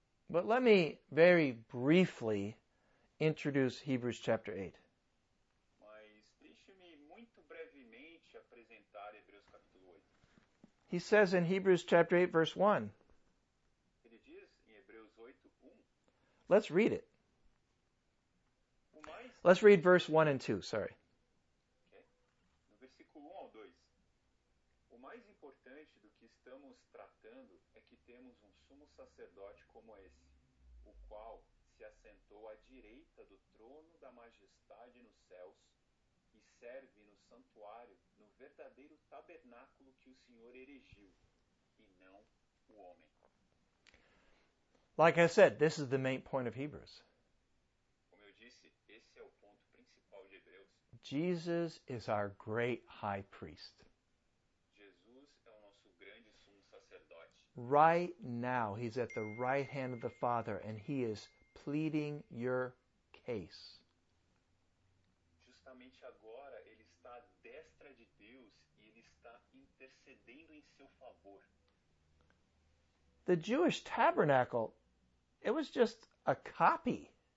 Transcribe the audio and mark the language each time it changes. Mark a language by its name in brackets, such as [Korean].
[English] But let me very briefly introduce Hebrews chapter 8. [Portuguese] Mas deixe-me muito brevemente apresentar Hebreus capítulo 8. [English] He says in Hebrews chapter 8, verse 1. [Portuguese] Ele diz em Hebreus 8, 1. [English] Let's read it. Let's read verse 1 and 2, sorry. [Portuguese] Okay. No versículo 1 ao 2. O mais importante do que estamos tratando é que temos sumo sacerdote como esse. Qual se assentou à direita do trono da majestade nos céus e serve no santuário, no verdadeiro tabernáculo que o Senhor erigiu, e não o homem. [English] Like I said, this is the main point of Hebrews. [Portuguese] Como eu disse, esse é o ponto principal de Hebreus. [English] Jesus is our great high priest. [Portuguese] Jesus é o nosso grande sumo sacerdote. [English] Right now, he's at the right hand of the Father, and he is pleading your case. [Portuguese] Justamente agora, ele está à destra de Deus, e ele está intercedendo em seu favor. [English] The Jewish tabernacle, it was just a copy.